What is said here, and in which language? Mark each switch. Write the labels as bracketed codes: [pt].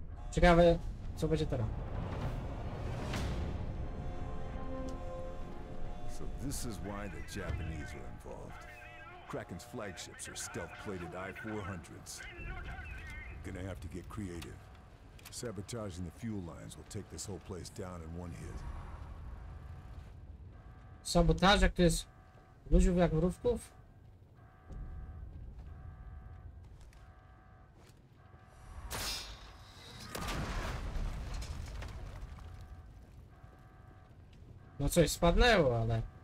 [pl] Ciekawe, co będzie teraz. [en] This is why the Japanese are involved. Kraken's flagships are stealth-plated I-400s. Gonna have to get creative. Sabotaging the fuel lines will take this whole place down in one hit. [pl] Sabotaż jak to jest ludziów jak mrówków? No coś spadnęło, ale...